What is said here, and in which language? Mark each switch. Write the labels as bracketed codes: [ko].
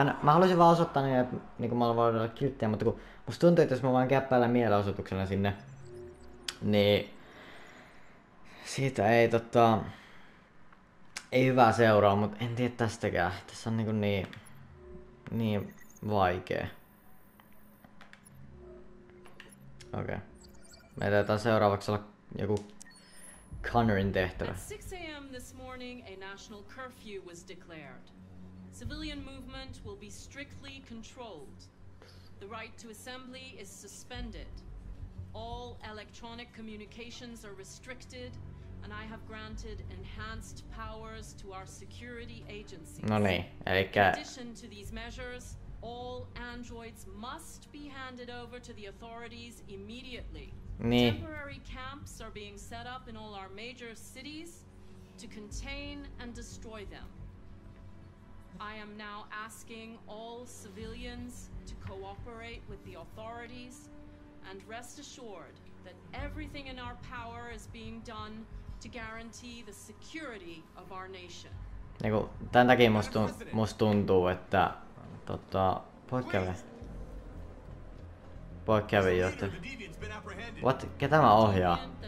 [fi] Mä haluaisin vaan osoittaa niin, että niin kun mä haluan olla kilttiä, mutta kun musta tuntuu, että jos mä vaan käppäillä mielenosoituksena sinne, niin siitä ei tota... Ei hyvää seuraa, mut en tiedä tästäkään. Tässä on niinku niin... Niin vaikee. Okei. [en] Okay. [fi] Meidän taitaa seuraavaksi olla joku... Connerin tehtävä. [en] At 6 a.m. this morning, a national curfew was declared. Civilian movement will be strictly controlled. The right to assembly is suspended. All electronic communications are restricted. And I have granted enhanced powers to our security agencies. [fi] No niin, elikkä... [en] In addition to these measures, all androids must be handed over to the authorities immediately. [fi] Niin. [en] Temporary camps are being set up in all our major cities to contain and destroy them. I am now asking all civilians to cooperate with the authorities and rest assured that everything in our power is being done to guarantee the security of our nation. [fi] Niinku, tän takia musta tuntuu, että tota, poikkeavi johtaja. [en] What? [fi] Ketä mä ohjaa?